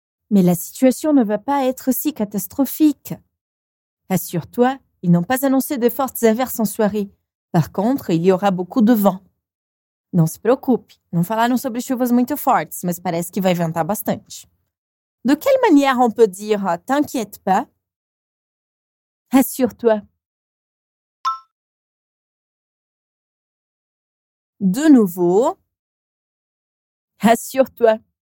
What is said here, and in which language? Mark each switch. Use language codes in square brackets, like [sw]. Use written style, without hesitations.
[fr] Mais la situation ne va pas être si catastrophique. Assure-toi, ils n'ont pas annoncé de fortes averses en soirée. Par contre, il y aura beaucoup de vent. [pt] Non se preocupe, não falaram sobre chuvas muito fortes, mas parece que vai ventar bastante. [fr] De quelle manière on peut dire « t'inquiète pas »? Assure-toi. De nouveau. Assure-toi.